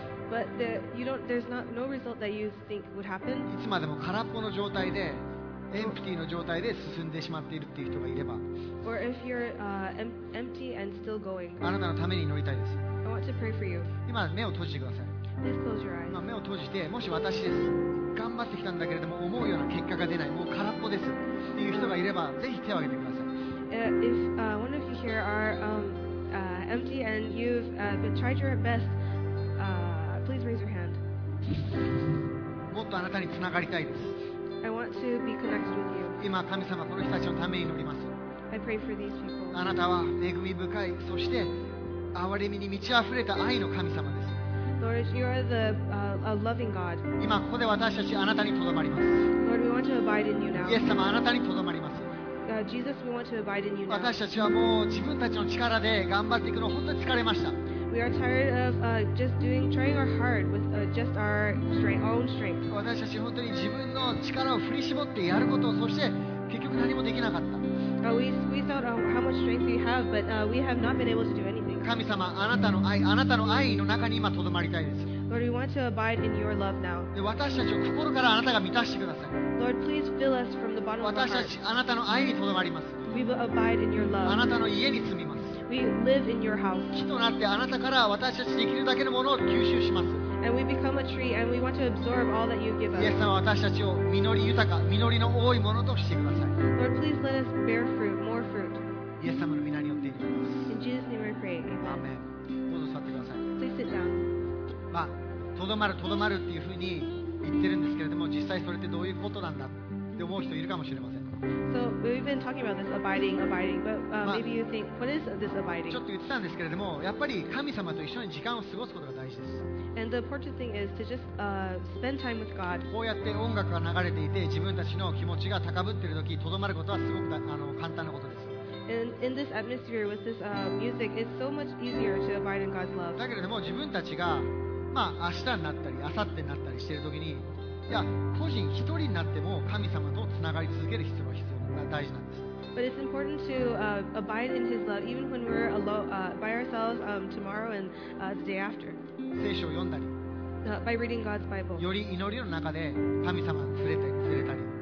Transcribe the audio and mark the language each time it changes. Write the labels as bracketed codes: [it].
[en] But the, you don't, there's not, no result that you think would happen. [ja] いつまでも空っぽの状態で、エンプティの状態で進んでしまっているっていう人がいれば。 [en] Or if you're empty and still going. [ja] あなたのために祈りたいです。 [en] I want to pray for you. [ja] 今目を閉じてください。 [en] Please close your eyes. [ja] 今目を閉じて、もし私です。頑張ってきたんだけれども思うような結果が出ない、もう空っぽですっていう人がいれば、ぜひ手を挙げてください。 [en] If one of you here are empty and you've been tried your best, please raise your hand. [ja] もっとあなたにつながりたいです。 [en] I want to be connected with you. [ja] 今神様この人たちのために祈ります。 [en] I pray for these people. [ja] あなたは恵み深い、そして憐れみに満ち溢れた愛の神様です。 [en] Lord, you are the a loving God. [ja] 今ここで私たちあなたにとどまります。 [en] Lord, we want to abide in you now. [ja] イエス様あなたにとどまります。 [en] Jesus, we want to abide in you now. [ja] 私たちはもう自分たちの力で頑張っていくの本当に疲れました。 [en] We are tired of just doing trying our hard with just our strength, own strength. [ja] 私たち本当に自分の力を振り絞ってやることを、そして結局何もできなかった。 [en] We squeeze out how much strength we have, but we have not been able to do anything. [ja] 神様、あなたの愛、あなたの愛の中に今とどまりたいです。 [en] Lord, we want to abide in your love now. [ja] で、私たちを心からあなたが満たしてください。 [en] Lord, please fill us from the bottom of our heart. [ja] 私たち、あなたの愛にとどまります。 [en] We will abide in your love. [ja] あなたの家に住みます。 [en] We live in your house. [ja] 木となってあなたから私たちできるだけのものを吸収します。 [en] And we become a tree, and we want to absorb all that you give us. [ja] イエス様、私たちを実り豊か、実りの多いものとしてください。 [en] Lord, please let us bear fruit, more fruit. [ja] イエス様の御名によって祈ります。 [en] In Jesus' name we pray. Amen. [ja] どうぞ座ってください。 [en] Please sit down. [ja] まあ、とどまる、とどまるっていうふうに言ってるんですけれども、実際それってどういうことなんだって思う人いるかもしれません。 [en] So we've been talking about this abiding, but maybe you think, what is this abiding? [ja] ちょっと言ってたんですけれども、やっぱり神様と一緒に時間を過ごすことが大事です。 [en] And the important thing is to just spend time with God. [ja] こうやって音楽が流れていて、自分たちの気持ちが高ぶっているとき、とどまることはすごく簡単なことです。 [en] And in this atmosphere with this music, it's so much easier to abide in God's love. [ja] だけれども自分たちが、まあ明日になったり明後日になったりしているときに。いや、個人一人になっても神様とつながり続ける必要が必要な大事なんです。 [en] But it's important to abide in His love even when we're alone by ourselves tomorrow and the day after. [ja] 聖書を読んだり。 [en] By reading God's Bible. [ja] より祈りの中で神様に触れたり。